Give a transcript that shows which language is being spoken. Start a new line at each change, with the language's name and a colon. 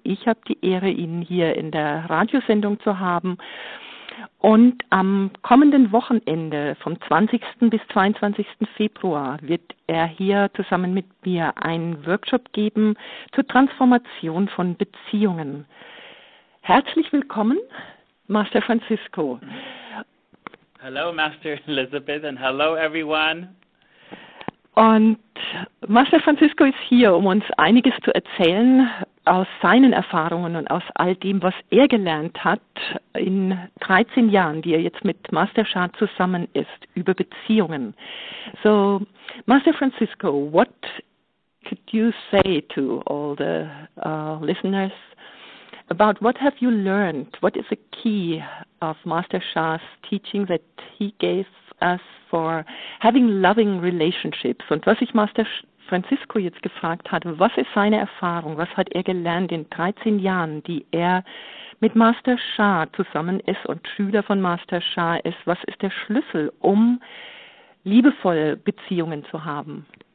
German: Ich habe die Ehre, ihn hier in der Radiosendung zu haben. Und am kommenden Wochenende, vom 20. bis 22. Februar, wird er hier zusammen mit mir einen Workshop geben zur Transformation von Beziehungen. Herzlich willkommen, Master Francisco.
English: Hello, Master Elizabeth, and hello, everyone.
German: Und Master Francisco ist hier, um uns einiges zu erzählen aus seinen Erfahrungen und aus all dem, was er gelernt hat in 13 Jahren, die er jetzt mit Master Shah zusammen ist, über Beziehungen.
English: So, Master Francisco, what could you say to all the listeners about what have you learned? What is the key of Master Shah's teaching that he gave us for having loving relationships?
German: Und was sich Master Francisco jetzt gefragt hat, was ist seine Erfahrung? Was hat er gelernt in 13 Jahren, die er mit Master Shah zusammen ist und Schüler von Master Shah ist? Was ist der Schlüssel, um liebevolle Beziehungen zu haben?